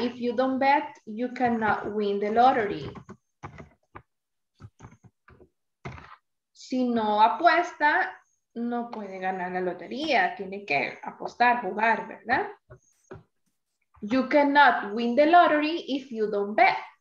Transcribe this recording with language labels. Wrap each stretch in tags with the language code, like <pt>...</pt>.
<en>If you don't bet, you cannot win the lottery.</en> <es>Si no apuesta, no puede ganar la lotería. Tiene que apostar, jugar, ¿verdad?</es> <en>You cannot win the lottery if you don't bet.</en>